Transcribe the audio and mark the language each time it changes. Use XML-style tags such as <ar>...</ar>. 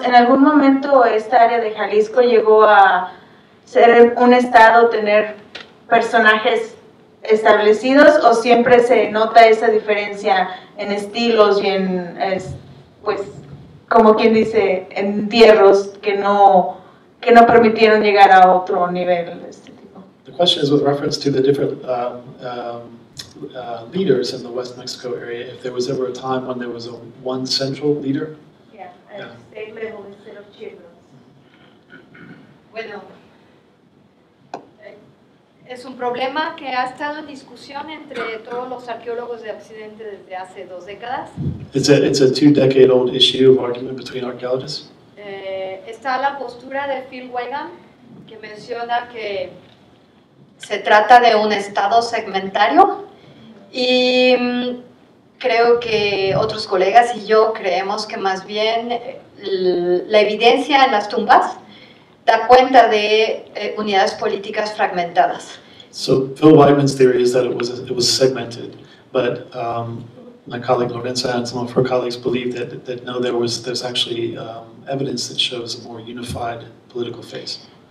<es>¿En algún momento esta área de Jalisco llegó a ser un estado, tener personajes establecidos, o siempre se nota esa diferencia en estilos y en, pues, como quien dice, entierros que no permitieron llegar a otro nivel de este tipo?</es> <en>The question is with reference to the different leaders in the West Mexico area, if there was ever a time when there was a one central leader? Yeah, state level instead of chiefs.</en> <es>Bueno. Es un problema que ha estado en discusión entre todos los arqueólogos de Occidente desde hace dos décadas.</es> <en>It's a two-decade-old issue of argument between archaeologists.</en> <es>Está la postura de Phil Wagan, que menciona que se trata de un estado segmentario, y creo que otros colegas y yo creemos que más bien la evidencia en las tumbas da cuenta de unidades políticas fragmentadas.</es> <en>So Phil Weidman's theory is that it was segmented, but my colleague Lorenza and some of her colleagues believe that no, there's actually evidence that shows a more unified political face.</en>